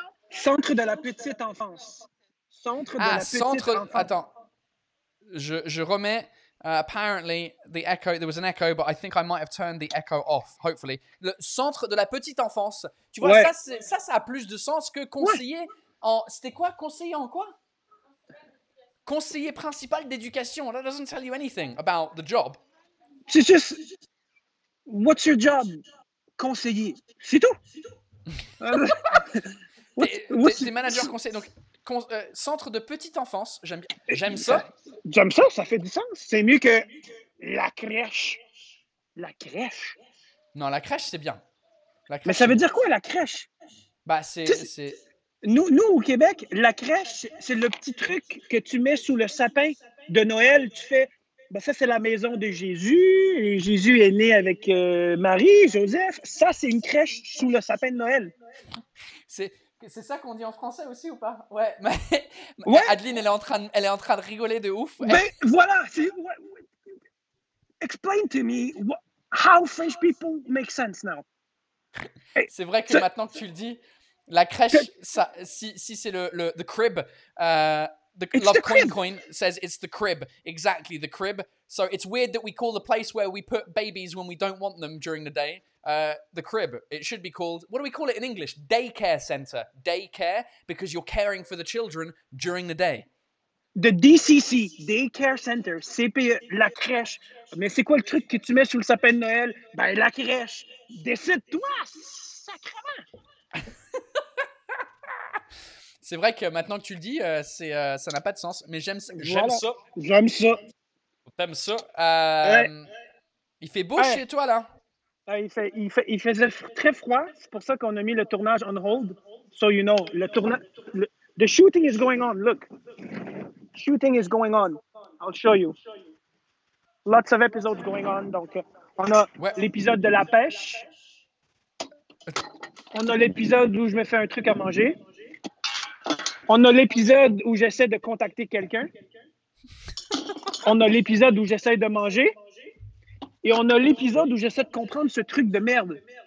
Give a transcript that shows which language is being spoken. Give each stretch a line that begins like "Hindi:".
French: Centre de la petite enfance. Centre de la petite enfance. Attends. Je remets...
English: apparently, the echo, there was an echo, but I think I might have turned the echo off, hopefully.
French: Le centre de la petite enfance. Tu vois, ouais. ça a plus de sens que conseiller en... C'était quoi? Conseiller en quoi? Conseiller principal d'éducation.
English: That doesn't tell you anything about the job.
French: C'est juste...
English: What's your job?
French: Conseiller. C'est tout. t'es manager conseiller, donc... centre de petite enfance, j'aime ça. J'aime ça, ça fait du sens. C'est mieux que la crèche. La crèche? Non, la crèche, c'est bien. La crèche, mais ça veut dire quoi, la crèche? Bah, c'est... Nous, au Québec, la crèche, c'est le petit truc que tu mets sous le sapin de Noël. Tu fais, ben, ça, c'est la maison de Jésus. Et Jésus est né avec Marie, Joseph. Ça, c'est une crèche sous le sapin de Noël. C'est ça qu'on dit en français aussi ou pas? Ouais, mais ouais. Adeline, elle est en train de rigoler de ouf. Mais voilà,
English: explain to me how French people make sense now.
French: C'est vrai que maintenant que tu le dis, la crèche, ça, si c'est le
English: the crib, the it's love the coin crib. Coin says it's the crib, exactly the crib. So it's weird that we call the place where we put babies when we don't want them during the day. The crib, it should be called, what do we call it in English? Daycare center. Daycare, because you're caring for the children during the day. The DCC, daycare center, CPE, la crèche.
French: Mais c'est quoi le truc que tu mets sous le sapin de Noël? Ben la crèche. Décide-toi, sacrément. C'est vrai que maintenant que tu le dis, c'est, ça n'a pas de sens. Mais j'aime ça. J'aime voilà. Ça. J'aime ça. T'aimes ça. Ouais. Il fait beau chez toi, là. Il faisait très froid, c'est pour ça qu'on a mis le tournage
English: on hold. So you know, the shooting is going on, look. Shooting is going on, I'll show you. Lots of episodes going on,
French: donc on a l'épisode de la pêche. On a l'épisode où je me fais un truc à manger. On a l'épisode où j'essaie de contacter quelqu'un. On a l'épisode où j'essaie de manger. Et on a l'épisode où j'essaie de comprendre ce truc de merde.